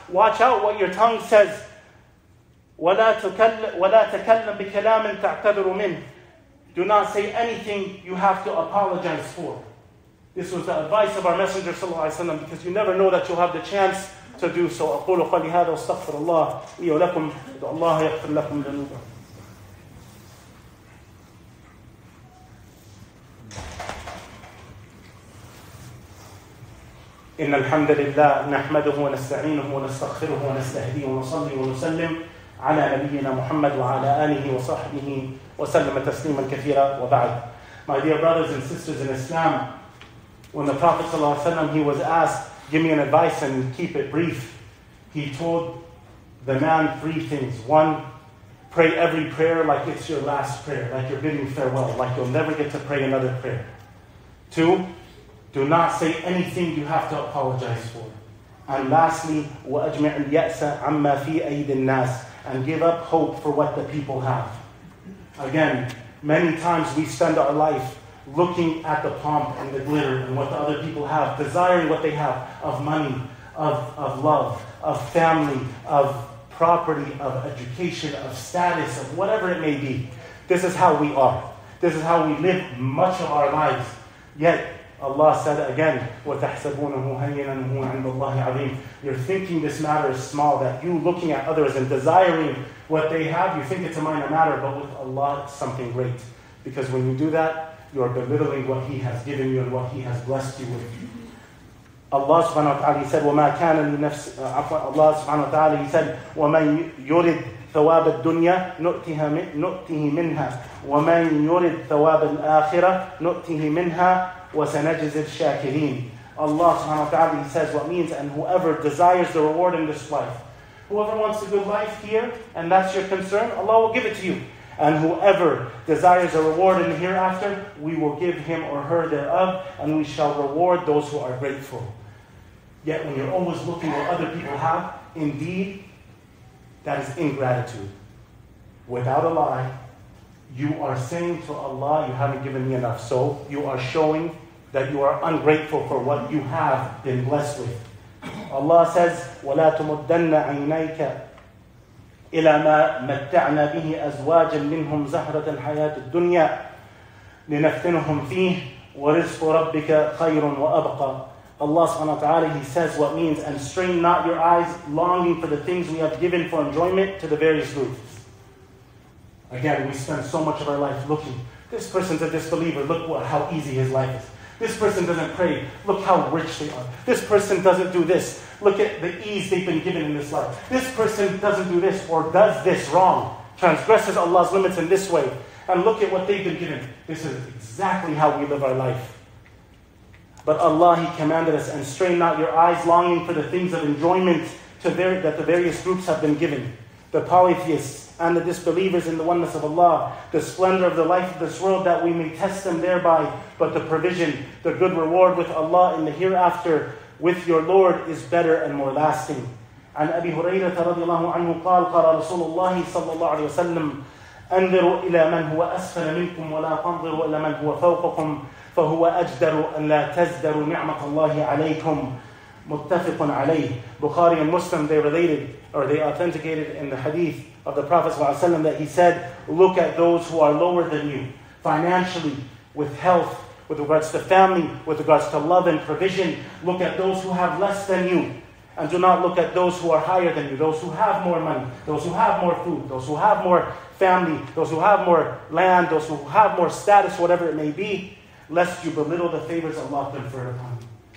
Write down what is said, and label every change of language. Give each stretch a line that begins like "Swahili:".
English: Watch out what your tongue says.
Arabic: وَلَا تَكَلَّمْ بِكَلَامٍ تَعْتَذِرُ مِنْهِ.
English: Do not say anything you have to apologize for. This was the advice of our Messenger sallallahu alaihi wasallam, because you never know that you'll have the chance to do so.
Arabic: أقول قولي هذا واستغفر الله لي ولكم ادعو الله يغفر لكم ذنوبكم. إن الحمد لله نحمده ونستعينه ونستغفره ونستهديه ونصلي ونسلم على نبينا محمد وعلى آله وصحبه وسلم تسليما كثيرا وبعد.
English: My dear brothers and sisters in Islam, when the Prophet ﷺ, he was asked, give me an advice and keep it brief, he told the man three things. One, pray every prayer like it's your last prayer, like you're bidding farewell, like you'll never get to pray another prayer. Two, do not say anything you have to apologize for. And lastly,
Arabic: وَأَجْمِعْ الْيَأْسَ عَمَّا فِي أَيْدِ النَّاسِ,
English: and give up hope for what the people have. Again, many times we spend our life looking at the pomp and the glitter and what the other people have, desiring what they have of money, of love, of family, of property, of education, of status, of whatever it may be. This is how we are. This is how we live much of our lives. Yet, Allah said again,
Arabic: وَتَحْسَبُونَهُ هَيِّنًا هُوَ عِنْدَ اللَّهِ عَظِيمٌ.
English: You're thinking this matter is small, that you looking at others and desiring what they have, you think it's a minor matter, but with Allah, it's something great. Because when you do that, you are belittling what He has given you and what He has blessed you with.
Arabic: Allah subhanahu wa ta'ala,
English: He said,
Arabic: وَمَا كَانَ لِنَفْسِ Allah subhanahu wa ta'ala, He said, وَمَنْ يُرِدْ ثَوَابَ الدُّنْيَا نُؤْتِهِ مِنْهَا وَمَنْ يُرِدْ ثَوَابَ الْآخِرَةِ نُؤْتِهِ مِنْهَا وَسَنَجْزِ الشَّاكِرِينَ.
English: Allah subhanahu wa ta'ala, He says what means, and whoever desires the reward in this life, whoever wants a good life here, and that's your concern, Allah will give it to you. And whoever desires a reward in the hereafter, we will give him or her thereof, and we shall reward those who are grateful. Yet when you're always looking what other people have, indeed, that is ingratitude. Without a lie, you are saying to Allah, you haven't given me enough. So you are showing that you are ungrateful for what you have been blessed with. Allah says,
Arabic: وَلَا تُمُدَّنَّ عَيْنَيْكَ إِلَى مَا مَتَّعْنَا بِهِ أَزْوَاجًا مِّنْهُمْ زَهْرَةَ الْحَيَاةِ الدُّنْيَا لِنَفْتِنُهُمْ فِيهِ وَرِزْقُ رَبِّكَ خَيْرٌ وَأَبْقَى.
English: Allah subhanahu wa ta'ala, He says what means, and strain not your eyes longing for the things we have given for enjoyment to the various groups. Again, we spend so much of our life looking. This person's a disbeliever. Look how easy his life is. This person doesn't pray. Look how rich they are. This person doesn't do this. Look at the ease they've been given in this life. This person doesn't do this or does this wrong. Transgresses Allah's limits in this way. And look at what they've been given. This is exactly how we live our life. But Allah, He commanded us, and strain not your eyes longing for the things of enjoyment that the various groups have been given. The polytheists and the disbelievers in the oneness of Allah, the splendor of the life of this world, that we may test them thereby. But the provision, the good reward with Allah in the hereafter with your Lord is better and more lasting.
Arabic: And Abi Hurairah radiallahu anhu qal, qala Rasulullah sallallahu alayhi wa sallam, أَنْذِرُوا إِلَى مَنْ هُوَ أَسْفَلَ مِنْكُمْ وَلَا تَنْظِرُوا إِلَى مَنْ هُوَ فَوْقَكُمْ فَهُوَ أَجْدَرُ أَنْ لَا تَزْدَرُوا نِعْمَةَ اللَّهِ عَلَيْكُمْ. مُتَّفِقٌ عَلَيْهِ.
English: Bukhari and Muslim, they related, or they authenticated in the hadith of the Prophet ﷺ, that he said, look at those who are lower than you, financially, with health, with regards to family, with regards to love and provision. Look at those who have less than you. And do not look at those who are higher than you, those who have more money, those who have more food, those who have more family, those who have more land, those who have more status, whatever it may be, lest you belittle the favors Allah conferred upon you.